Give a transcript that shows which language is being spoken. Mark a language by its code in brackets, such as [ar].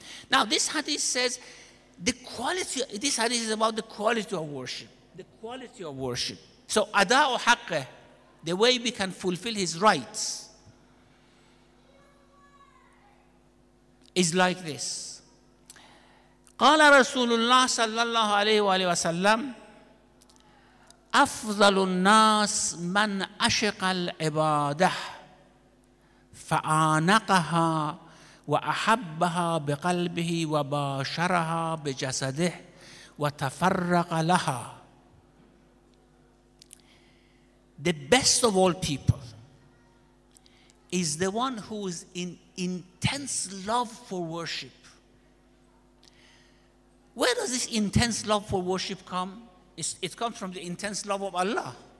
[en] Now, this hadith says this hadith is about the quality of worship. The quality of worship. So, ada'u haqqah, the way we can fulfill his rights, is like this. [ar] Qala Rasulullah sallallahu alayhi wa sallam, أفضل الناس من أشق العبادة فعانقها وأحبها بقلبه وباشرها بجسده وتفرق لها. [en] The best of all people is the one who is in intense love for worship. Where does this intense love for worship come? It comes from the intense love of Allah.